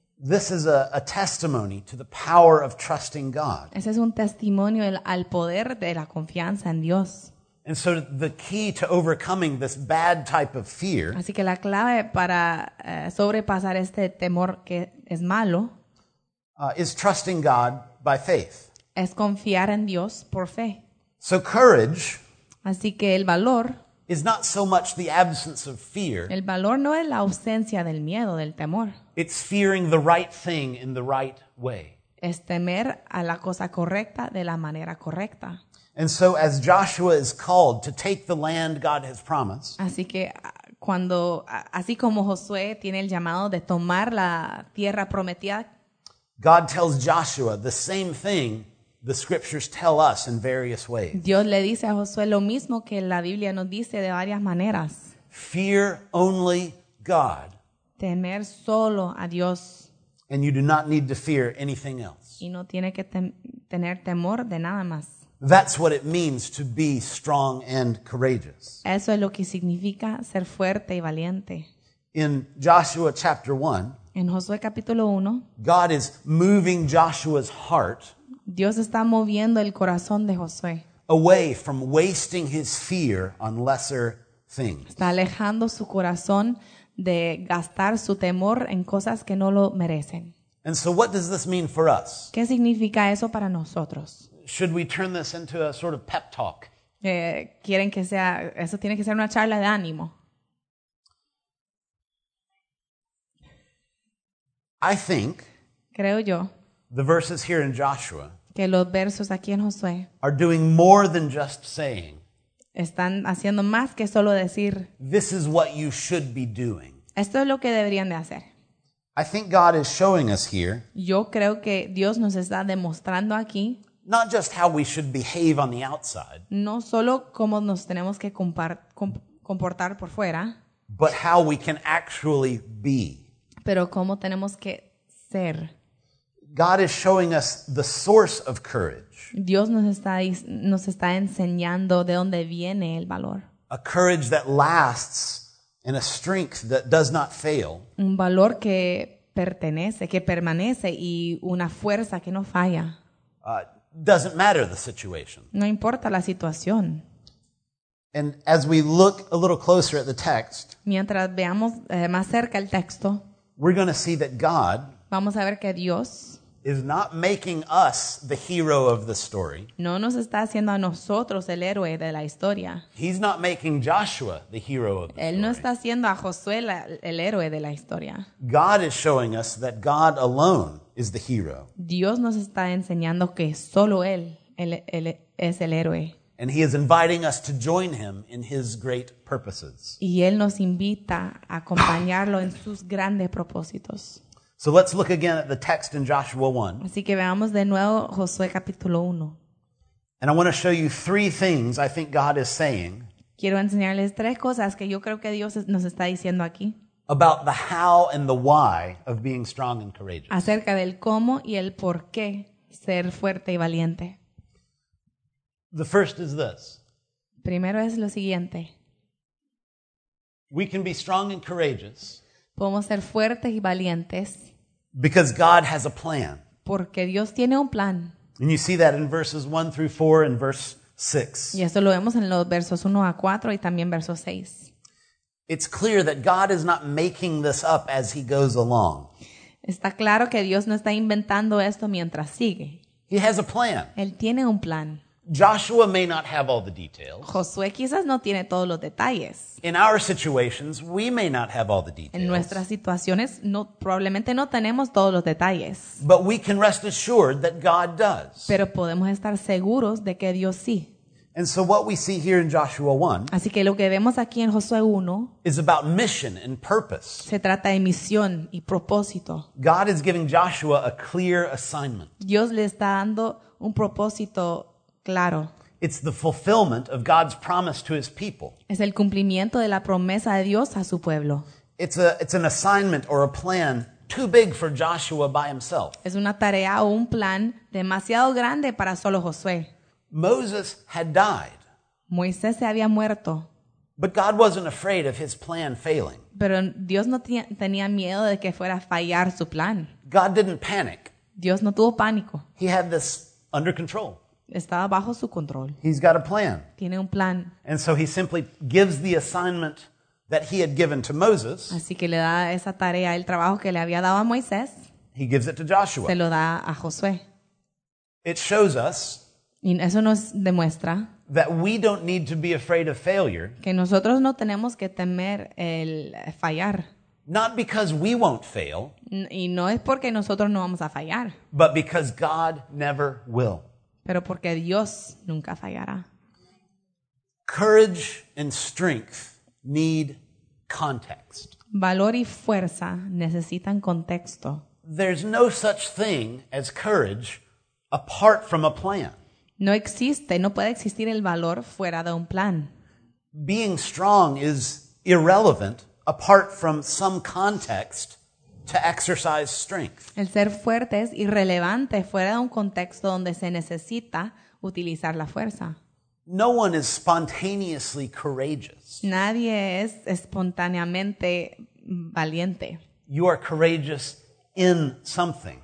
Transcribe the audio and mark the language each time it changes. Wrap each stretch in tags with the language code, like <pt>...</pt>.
<en>This is a testimony to the power of trusting God.</en> <es>Ese es un testimonio al poder de la confianza en Dios.</es> <en>And so the key to overcoming this bad type of fear.</en> <es>Así que la clave para sobrepasar este temor que es malo.</es> <en>Is trusting God by faith.</en> <es>Es confiar en Dios por fe.</es> <en>So courage.</en> <es>Así que el valor.</es> <en>Is not so much the absence of fear.</en> <es>El valor no es la ausencia del miedo, del temor.</es> <en>It's fearing the right thing in the right way.</en> <es>Es temer a la cosa correcta de la manera correcta.</es> <en>And so as Joshua is called to take the land God has promised.</en> <es>Así que cuando, así como Josué tiene el llamado de tomar la tierra prometida.</es> <en>God tells Joshua the same thing the scriptures tell us in various ways.</en> <es>Dios le dice a Josué lo mismo que la Biblia nos dice de varias maneras.</es> <en>Fear only God.</en> <es>Temer solo a Dios.</es> <en>And you do not need to fear anything else.</en> <es>Y no tiene que tener temor de nada más.</es> <en>That's what it means to be strong and courageous.</en> <es>Eso es lo que significa ser fuerte y valiente.</es> <en>In Joshua chapter 1.</en> <es>En Josué capítulo 1.</es> <en>God is moving Joshua's heart.</en> <es>Dios está moviendo el corazón de Josué.</es> <en>Away from wasting his fear on lesser things.</en> <es>Está alejando su corazón de gastar su temor en cosas que no lo merecen.</es> <en>And so what does this mean for us?</en> <es>¿Qué significa eso para nosotros?</es> <en>Should we turn this into a sort of pep talk?</en> <es>Quieren que sea, eso tiene que ser una charla de ánimo.</es> <en>I think.</en> <es>Creo yo.</es> <en>The verses here in Joshua.</en> <es>Que los versos aquí en Josué.</es> <en>Are doing more than just saying.</en> <es>Están haciendo más que solo decir.</es> <en>This is what you should be doing.</en> <es>Esto es lo que deberían de hacer.</es> <en>I think God is showing us here.</en> <es>Yo creo que Dios nos está demostrando aquí.</es> <en>Not just how we should behave on the outside.</en> <es>No solo cómo nos tenemos que comportar por fuera.</es> <en>But how we can actually be.</en> <es>Pero cómo tenemos que ser.</es> <en>God is showing us the source of courage.</en> <es>Dios nos está enseñando de dónde viene el valor.</es> <en>A courage that lasts and a strength that does not fail.</en> <es>Un valor que pertenece, que permanece y una fuerza que no falla.</es> <en>Doesn't matter the situation.</en> <es>No importa la situación.</es> <en>And as we look a little closer at the text,</en> <es>mientras veamos más cerca el texto,</es> <en>we're going to see that God,</en> <es>vamos a ver que Dios,</es> <en>is not making us the hero of the story.</en> <es>No nos está haciendo a nosotros el héroe de la historia.</es> <en>He's not making Joshua the hero of the story.</en> <es>Él no está haciendo a Josué el héroe de la historia.</es> <en>God is showing us that God alone is the hero.</en> <es>Dios nos está enseñando que solo él es el héroe.</es> <en>And he is inviting us to join him in his great purposes.</en> <es>Y él nos invita a acompañarlo en sus grandes propósitos.</es> <en>So let's look again at the text in Joshua 1.</en> <es>Así que veamos de nuevo Josué capítulo 1.</es> <en>And I want to show you three things I think God is saying.</en> <es>Quiero enseñarles tres cosas que yo creo que Dios nos está diciendo aquí.</es> <en>About the how and the why of being strong and courageous.</en> <es>Acerca del cómo y el por qué ser fuerte y valiente.</es> <en>The first is this.</en> <es>Primero es lo siguiente.</es> <en>We can be strong and courageous.</en> <es>Podemos ser fuertes y valientes.</es> <en>Because God has a plan.</en> <es>Porque Dios tiene un plan.</es> <en>And you see that in verses 1 through 4 and verse 6.</en> <es>Y eso lo vemos en los versos 1 a 4 y también verso 6.</es> <en>It's clear that God is not making this up as he goes along.</en> <es>Está claro que Dios no está inventando esto mientras sigue.</es> <en>He has a plan.</en> <es>Él tiene un plan.</es> <en>Joshua may not have all the details.</en> <es>Josué quizás no tiene todos los detalles.</es> <en>In our situations, we may not have all the details.</en> <es>En nuestras situaciones, no, probablemente no tenemos todos los detalles.</es> <en>But we can rest assured that God does.</en> <es>Pero podemos estar seguros de que Dios sí.</es> <en>And so what we see here in Joshua 1,</en> <es>así que lo que vemos aquí en Josué 1,</es> <en>is about mission and purpose.</en> <es>Se trata de misión y propósito.</es> <en>God is giving Joshua a clear assignment.</en> <es>Dios le está dando un propósito claro.</es> <en>It's the fulfillment of God's promise to his people.</en> <es>Es el cumplimiento de la promesa de Dios a su pueblo.</es> <en>It's an assignment or a plan too big for Joshua by himself.</en> <es>Es una tarea o un plan demasiado grande para solo Josué.</es> <en>Moses had died.</en> <es>Moisés se había muerto.</es> <en>But God wasn't afraid of his plan failing.</en> <es>Pero Dios no tenía miedo de que fuera a fallar su plan.</es> <en>God didn't panic.</en> <es>Dios no tuvo pánico.</es> <en>He had this under control.</en> <es>Estaba bajo su control.</es> <en>He's got a plan.</en> <es>Tiene un plan.</es> <en>And so he simply gives the assignment that he had given to Moses.</en> <es>Así que le da esa tarea, el trabajo que le había dado a Moisés.</es> <en>He gives it to Joshua.</en> <es>Se lo da a Josué.</es> <en>It shows us.</en> <es>Y eso nos demuestra.</es> <en>That we don't need to be afraid of failure.</en> <es>Que nosotros no tenemos que temer el fallar.</es> <en>Not because we won't fail.</en> <es>Y no es porque nosotros no vamos a fallar.</es> <en>But because God never will.</en> <es>Pero porque Dios nunca fallará.</es> <en>Courage and strength need context.</en> <es>Valor y fuerza necesitan contexto.</es> <en>There's no such thing as courage apart from a plan.</en> <es>No existe, no puede existir el valor fuera de un plan.</es> <en>Being strong is irrelevant apart from some context. To exercise strength.</en> <es>El ser fuerte es irrelevante fuera de un contexto donde se necesita utilizar la fuerza.</es> <en>No one is spontaneously courageous.</en> <es>Nadie es espontáneamente valiente.</es> <en>You are courageous in something.</en>